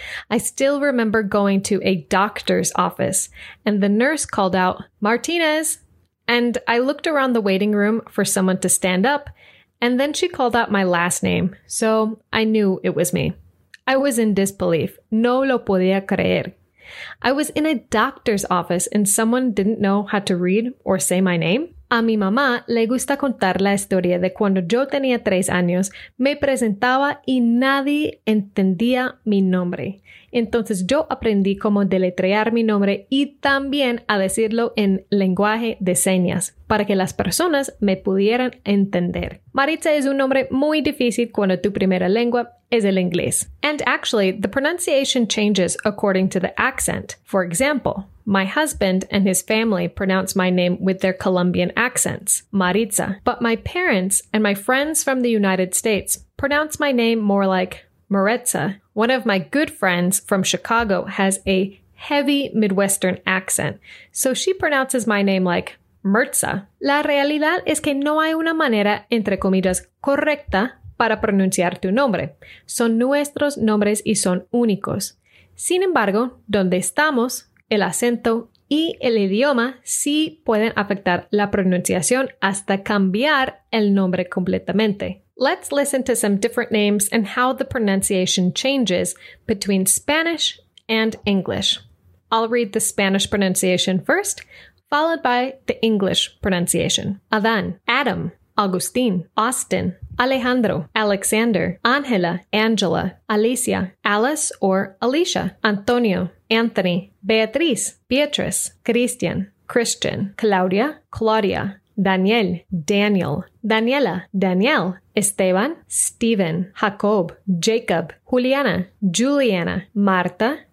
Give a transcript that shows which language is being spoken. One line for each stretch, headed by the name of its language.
English: I still remember going to a doctor's office and the nurse called out, Martinez, and I looked around the waiting room for someone to stand up, and then she called out my last name, so I knew it was me. I was in disbelief.
Spanish: No lo podía creer.
English: I was in a doctor's office and someone didn't know how to read or say my name.
Spanish: A mi mamá le gusta contar la historia de cuando yo tenía 3 años, me presentaba y nadie entendía mi nombre. Entonces yo aprendí cómo deletrear mi nombre y también a decirlo en lenguaje de señas para que las personas me pudieran entender. Maritza es un nombre muy difícil cuando tu primera lengua es el inglés.
English: And actually, the pronunciation changes according to the accent. For example, my husband and his family pronounce my name with their Colombian accents, Maritza. But my parents and my friends from the United States pronounce my name more like Maritza. One of my good friends from Chicago has a heavy Midwestern accent, so she pronounces my name like Mirza.
Spanish: La realidad es que no hay una manera, entre comillas, correcta para pronunciar tu nombre. Son nuestros nombres y son únicos. Sin embargo, donde estamos, el acento y el idioma sí pueden afectar la pronunciación hasta cambiar el nombre completamente.
English: Let's listen to some different names and how the pronunciation changes between Spanish and English. I'll read the Spanish pronunciation first, followed by the English pronunciation. Adán, Adam, Agustín, Austin, Alejandro, Alexander, Angela, Angela, Alicia, Alice or Alicia, Antonio, Anthony, Beatriz, Beatrice, Christian, Christian, Claudia, Claudia, Daniel, Daniel, Daniela, Danielle, Esteban, Stephen, Jacob, Jacob, Juliana, Juliana, Marta,